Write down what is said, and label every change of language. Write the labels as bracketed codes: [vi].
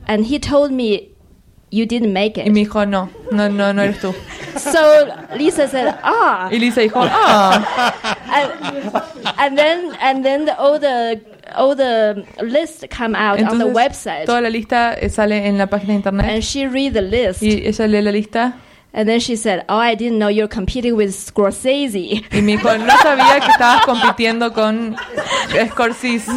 [en] And he told me, you didn't make it. [es] Y me dijo, no, no, no, no eres tú. [en] So Lisa said, ah. [es] Y Lisa dijo, ah. [en] And then all the list come out [es] entonces, [en] on the website. [es] Toda la lista sale en la página de internet. [en] And she read the list. [es] Y ella lee la lista. [en] And then she said, oh, I didn't know you're competing with Scorsese. [es] Y me dijo, no sabía que estabas compitiendo con Scorsese.